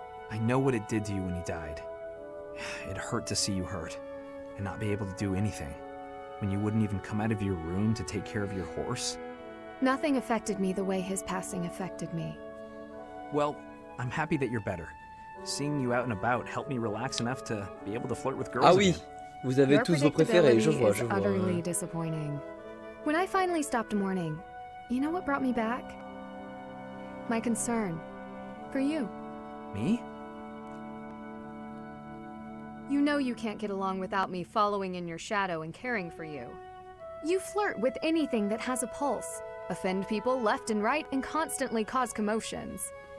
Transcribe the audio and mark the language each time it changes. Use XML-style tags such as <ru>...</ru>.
<en>I know what it did to you when he died. It hurt to see you hurt, and not be able to do anything. When you wouldn't even come out of your room to take care of your horse. Nothing affected me the way his passing affected me. Well, I'm happy that you're better. Seeing you out and about helped me relax enough to be able to flirt with girls. Ah</en> <fr>oui, vous avez tous vos préférés, je vois, je vois.</fr> <en>Utterly disappointing. When I finally stopped mourning, you know what brought me back? My concern for you. Me? You know you can't get along without me following in your shadow and caring for you. You flirt with anything that has a pulse, offend people left and right, and constantly cause commotions.</en>